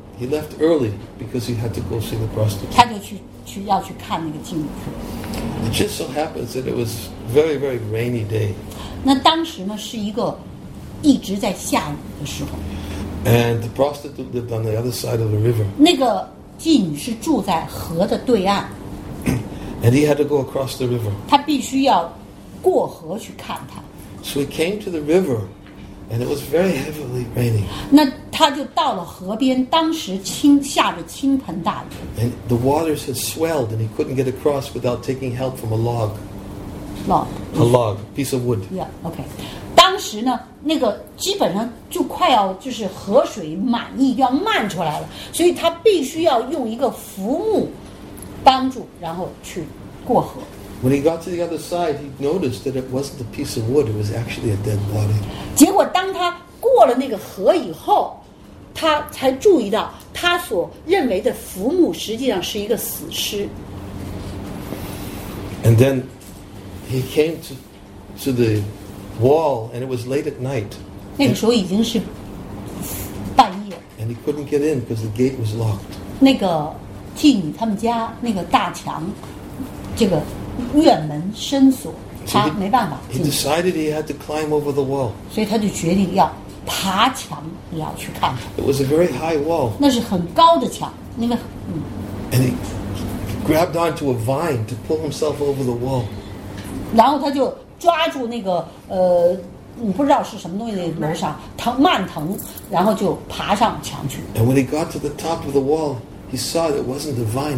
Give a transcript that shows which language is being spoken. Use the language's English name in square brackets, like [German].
[English] He left early because he had to go see the prostitute. [Chinese] 他就去要去看那个妓女。 [English] It just so happens that it was very, very rainy day. [Chinese] 那当时呢是一个一直在下雨的时候。 [English] And the prostitute lived on the other side of the river. [Chinese] 那个妓女是住在河的对岸。 [English] And he had to go across the river. [Chinese] 他必须要过河去看她。 [English] So he came to the river, and it was very heavily raining. [Chinese] 那他就到了河边，当时下着倾盆大雨。 [English] And the waters had swelled, and he couldn't get across without taking help from a log. Log. A log, piece of wood. Yeah. Okay. [Chinese] 当时呢，那个基本上就快要就是河水满溢，要漫出来了，所以他必须要用一个浮木帮助，然后去过河。 [English] When he got to the other side, he noticed that it wasn't a piece of wood; it was actually a dead body. [Chinese] 结果当他过了那个河以后，他才注意到他所认为的浮木实际上是一个死尸。 [English] And then he came to the wall, and it was late at night. [Chinese] 那个时候已经是半夜。 [English] And he couldn't get in because the gate was locked. [Chinese] 那个妓女他们家那个大墙，这个院门深锁，他没办法进。 [English] He decided he had to climb over the wall. [Chinese] 所以他就决定要爬墙，要去看看。 [English] It was a very high wall. [Chinese] 那是很高的墙，那个。 [English] And he grabbed onto a vine to pull himself over the wall. [Chinese] 然后他就抓住那个你不知道是什么东西那楼上蔓藤，然后就爬上墙去。 [English] And when he got to the top of the wall, he saw it wasn't a vine.